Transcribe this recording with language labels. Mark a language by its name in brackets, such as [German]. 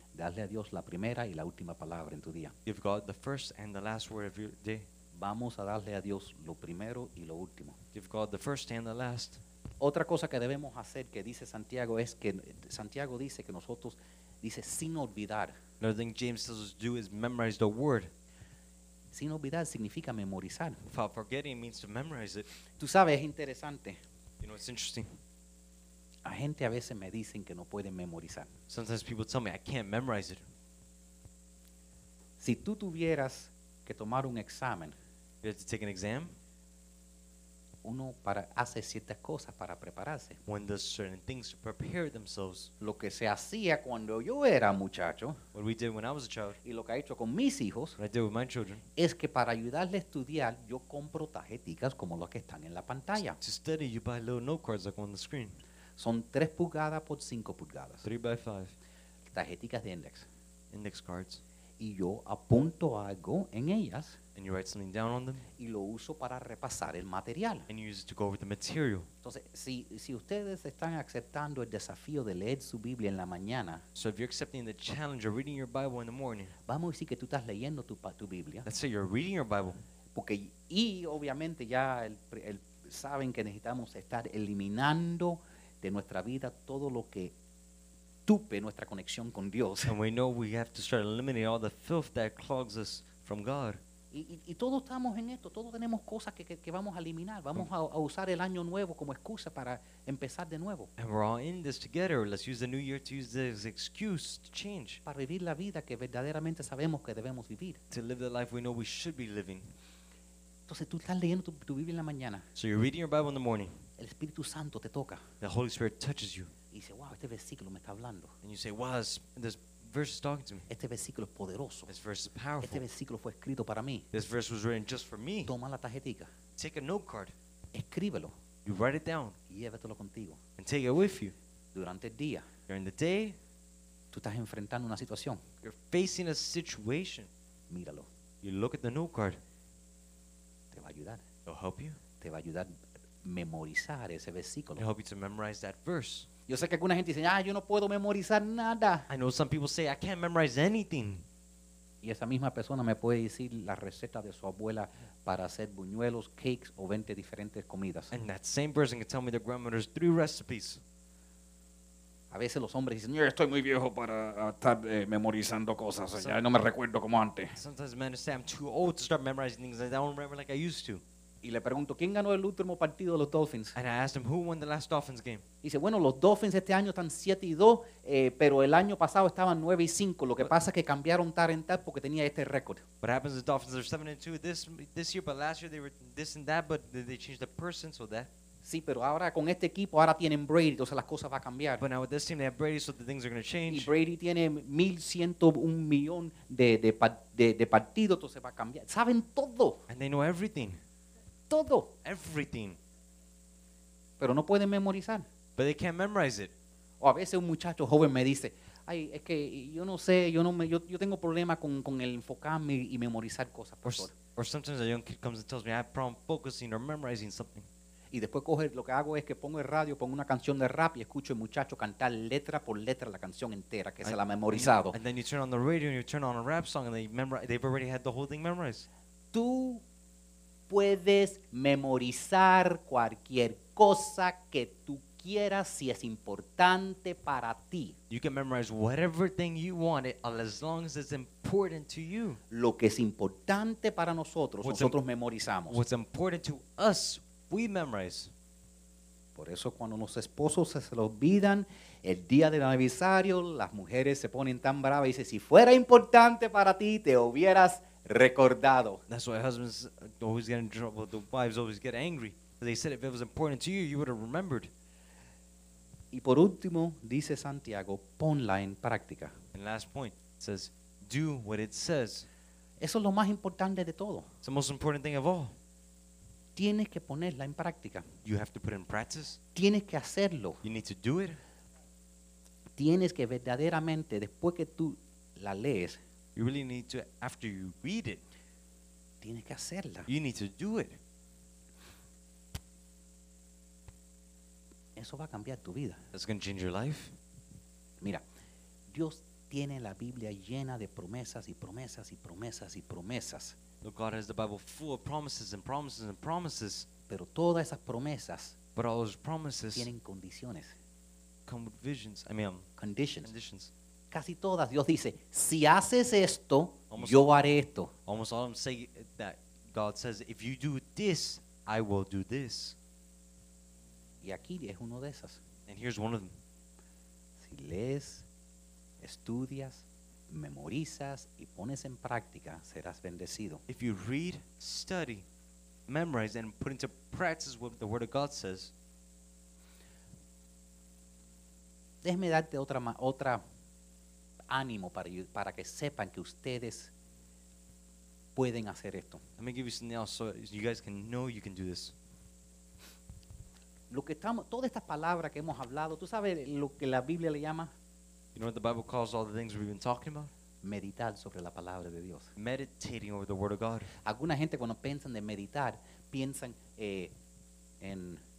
[Spanish] Dale a Dios la primera y la última palabra en tu día. [English] Give God the first and the last word of your day. [Spanish] Vamos a darle a Dios lo primero y lo último. [English] Give God the first and the last. [Spanish] Otra cosa que debemos hacer que dice Santiago es que Santiago dice que nosotros dice sin olvidar. [English] Another thing James tells us to do is memorize the word. [Spanish] Sin olvidar significa memorizar. [English] Without forgetting means to memorize it. [Spanish] Tú sabes, es interesante. [English] You know, it's interesting. [Spanish] A gente a veces me dicen que no pueden memorizar. [English] Sometimes people tell me I can't memorize it. [Spanish] Si tú tuvieras que tomar un examen. [English] You have to take an exam. [Spanish] Uno para hacer ciertas cosas para prepararse. [English] One does certain things to prepare themselves. [Spanish] Lo que se hacía cuando yo era muchacho. [English] What we did when I was a child. [Spanish] Y lo que ha hecho con mis hijos. [English] What I did with my children. [Spanish] Es que para ayudarle a estudiar, yo compro tarjeticas como las que están en la pantalla. [English] To study, you buy little note cards like on the screen. [Spanish] Son 3 pulgadas por 5 pulgadas. [English] 3 by 5. [Spanish] Tarjeticas de index. [English] Index cards. [Spanish] Y yo apunto algo en ellas. [English] And you write something down on them. [Spanish] Y lo uso para repasar el material. [English] And you use it to go over the material. [Spanish] Entonces, si ustedes están aceptando el desafío de leer su Biblia en la mañana. [English] So if you're accepting the challenge of reading your Bible in the morning. [Spanish] Vamos a decir que tú estás leyendo tu Biblia. [English] Let's say you're reading your Bible. [Spanish] Porque, y obviamente ya el saben que necesitamos estar eliminando de nuestra vida todo lo que tupe nuestra conexión con Dios. [English] And we know we have to start eliminating all the filth that clogs us from God. [Spanish] Y todos estamos en esto, todos tenemos cosas que vamos a eliminar, vamos a usar el año nuevo como excusa para empezar de nuevo. [English] And we're all in this together, let's use the new year to use this excuse to change. [Spanish] Para vivir la vida que verdaderamente sabemos que debemos vivir. [English] To live the life we know we should be living. [Spanish] Entonces tú estás leyendo tu Biblia en la mañana. [English] So you're reading your Bible in the morning. [Spanish] El Espíritu Santo te toca. [English] The Holy Spirit touches you. [Spanish] Y dice, wow, este versículo me está hablando. [English] And you say, wow, this verse is talking to me. [Spanish] Este versículo es poderoso. [English] This verse is powerful. [Spanish] Este versículo fue escrito para mí. [English] This verse was written just for me. [Spanish] Toma la tarjetica. [English] Take a note card. [Spanish] Escríbelo. [English] You write it down. [Spanish] Y llévatelo contigo. [English] And take it with you. [Spanish] Durante el día. [English] During the day. [Spanish] Tú estás enfrentando una situación. [English] You're facing a situation. [Spanish] Míralo. [English] You look at the note card. [Spanish] Te va a ayudar. [English] It'll help you. [Spanish] Te va a ayudar memorizar ese versículo. [English] It'll help you to memorize that verse. [Spanish] Yo sé que alguna gente dice, yo no puedo memorizar nada. [English] I know some people say, I can't memorize anything. [Spanish] Y esa misma persona me puede decir la receta de su abuela para hacer buñuelos, cakes o 20 diferentes comidas. [English] And that same person can tell me their grandmother's 3 recipes. [Spanish] A veces los hombres dicen, yo estoy muy viejo para estar memorizando cosas, ya no me recuerdo como antes. [English] Sometimes men say, I'm too old to start memorizing things, I don't remember like I used to. [Spanish] Y le pregunto, ¿quién ganó el último partido de los Dolphins? [English] And I asked him, who won the last Dolphins game? [Spanish] Y dice, bueno, los Dolphins este año están 7-2, pero el año pasado estaban 9-5. Lo que pasa es que cambiaron tal en tal porque tenía este récord. [English] What happens is Dolphins are 7-2 this year, but last year they were this and that, but they changed the person, so that. [Spanish] Sí, pero ahora con este equipo ahora tienen Brady, entonces las cosas van a cambiar. [English] But now with this team they have Brady, so the things are going to change. [Spanish] Y Brady tiene 1,101 millón de partidos, entonces va a cambiar. Saben todo. [English] And they know everything. [Spanish] Todo. [English] Everything. [Spanish] Pero no pueden memorizar. [English] But they can't memorize it. [Spanish] O a veces un muchacho joven me dice, ay, es que yo no sé, yo tengo problema con el enfocarme y memorizar cosas. [English] Or sometimes a young kid comes and tells me, I have a problem focusing or memorizing something. [Spanish] Y después coge, lo que hago es que pongo el radio, pongo una canción de rap y escucho el muchacho cantar letra por letra la canción entera que se la ha memorizado. [English] And then you turn on the radio and you turn on a rap song and they've already had the whole thing memorized. [Spanish] Tú puedes memorizar cualquier cosa que tú quieras si es importante para ti. [English] You can memorize whatever thing you want as long as it's important to you. [Spanish] Lo que es importante para nosotros, nosotros memorizamos. [English] What's important to us, we memorize. [Spanish] Por eso cuando los esposos se lo olvidan, el día del aniversario, las mujeres se ponen tan bravas y dicen, si fuera importante para ti, te hubieras recordado. [English] That's why husbands always get in trouble. The wives always get angry. They said if it was important to you, you would have remembered. [Spanish] Y por último, dice Santiago, ponla en práctica. [English] And last point, it says, do what it says. [Spanish] Eso es lo más importante de todo. [English] It's the most important thing of all. [Spanish] Tienes que ponerla en práctica. [English] You have to put it in practice. [Spanish] Tienes que hacerlo. [English] You need to do it. [Spanish] Tienes que verdaderamente, después que tú la lees, [English] you really need to, after you read it, [Spanish] tienes que hacerla. [English] You need to do it. [Spanish] Eso va a cambiar tu vida. [English] That's going to change your life. [Spanish] Mira, Dios tiene la Biblia llena de promesas y promesas y promesas y promesas. [English] Look, God has the Bible full of promises and promises and promises. [Spanish] Pero todas esas promesas, [English] but all those promises, [Spanish] tienen condiciones. [English] Come with visions. I mean, conditions. Conditions. [Spanish] Casi todas, Dios dice, si haces esto, [English] almost, [Spanish] yo haré esto. [English] Almost all of them say that God says, if you do this, I will do this. [Spanish] Y aquí es uno de esas. [English] And here's one of them. [Spanish] Si lees, estudias, memorizas y pones en práctica, serás bendecido. [English] If you read, study, memorize, and put into practice what the Word of God says. [Spanish] Déjeme darte otra ánimo para que sepan que ustedes pueden hacer esto. [English] Let me give you something else so you guys can know you can do this. [Spanish] Lo que estamos, todas estas palabras que hemos hablado, ¿tú sabes lo que la Biblia le llama? [English] You know what the Bible calls all the things we've been talking about? [Spanish] Meditar sobre la palabra de Dios. [English] Meditating over the Word of God. [Spanish] Alguna gente cuando piensan de meditar, piensan en...